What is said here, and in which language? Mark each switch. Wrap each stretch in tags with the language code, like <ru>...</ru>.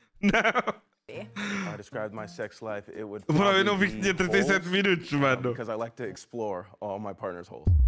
<pt>Não.</pt> <en>I described my sex life, it would.</en> <pt>Bro, eu não vi que tinha 37 minutos, mano.</pt> <en>Because I like to explore all my partner's holes.</en>